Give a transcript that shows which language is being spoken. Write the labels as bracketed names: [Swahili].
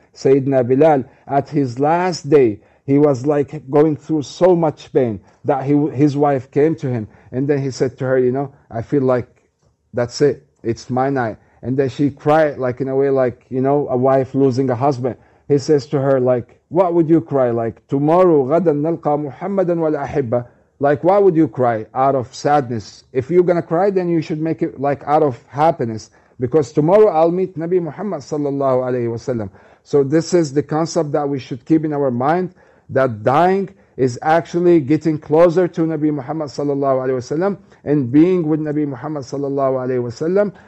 [English] Sayyidina Bilal, at his last day, he was like going through so much pain that his wife came to him. And then he said to her, you know, I feel like that's it. It's my night. And then she cried, like in a way like, you know, a wife losing a husband. He says to her, like, what would you cry? Like, tomorrow, [Arabic] غَدًا نَلْقَى مُحَمَّدًا وَالْأَحِبَّةِ. [English] Like, why would you cry out of sadness? If you're going to cry, then you should make it like out of happiness. because tomorrow I'll meet Nabi Muhammad sallallahu alayhi wa sallam. So this is the concept that we should keep in our mind, that dying is actually getting closer to Nabi Muhammad sallallahu alayhi wa sallam and being with Nabi Muhammad sallallahu alayhi wa sallam.